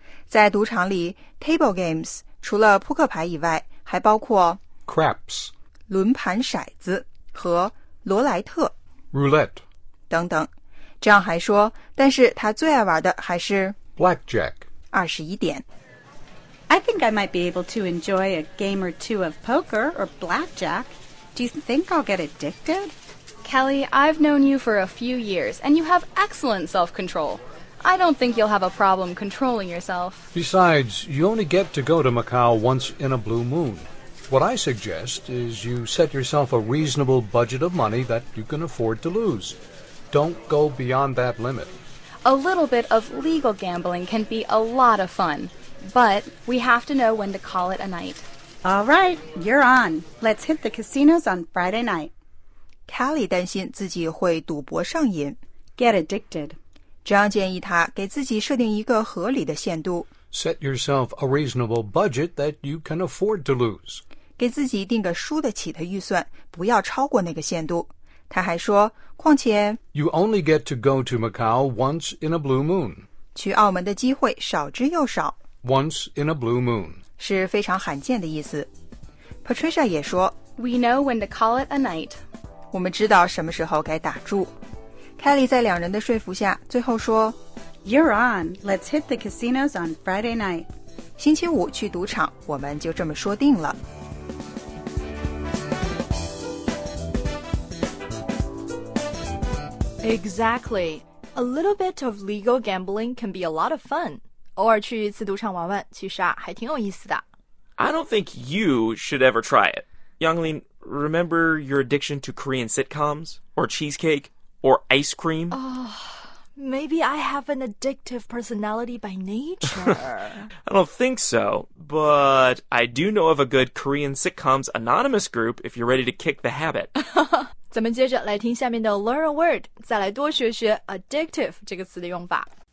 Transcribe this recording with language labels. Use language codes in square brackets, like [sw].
[zh] 在赌场里 ， [en] table games [zh] 除了扑克牌以外，还包括 [en] craps [zh] 轮盘骰子和罗莱特 [en] roulette [zh] 等等。这样还说，但是他最爱玩的还是 [en] blackjack [zh] 二十一点。 [en] I think I might be able to enjoy a game or two of poker or blackjack. Do you think I'll get addicted? Kelly, I've known you for a few years, and you have excellent self-control. I don't think you'll have a problem controlling yourself. Besides, you only get to go to Macau once in a blue moon. What I suggest is you set yourself a reasonable budget of money that you can afford to lose. Don't go beyond that limit. A little bit of legal gambling can be a lot of fun, but we have to know when to call it a night. All right, you're on. Let's hit the casinos on Friday night. [zh] Kelly 担心自己会赌博上瘾。 [en] Get addicted. [zh] 这样建议他给自己设定一个合理的限度。 [en] Set yourself a reasonable budget that you can afford to lose. [zh] 给自己定个输得起的预算，不要超过那个限度。他还说，况且 [en] You only get to go to Macau once in a blue moon. [zh] 去澳门的机会少之又少。 [en] Once in a blue moon. [zh] 是非常罕见的意思。 Patricia 也说 [en] We know when to call it a night. [zh] 我们知道什么时候该打住。Kelly 在两人的说服下最后说 [en] You're on. Let's hit the casinos on Friday night. [zh] 星期五去赌场，我们就这么说定了。 [en] Exactly. A little bit of legal gambling can be a lot of fun. [zh] 偶尔去一次赌场玩玩，其实啊，还挺有意思的。 [en] I don't think you should ever try it. Younglin, remember your addiction to Korean sitcoms or cheesecake? Or ice cream? Oh, maybe I have an addictive personality by nature. I don't think so, but I do know of a good Korean sitcoms anonymous group if you're ready to kick the habit. [zh] 咱们接着来听下面的 Learn a Word, 再来多学学 addictive 这个词的用法。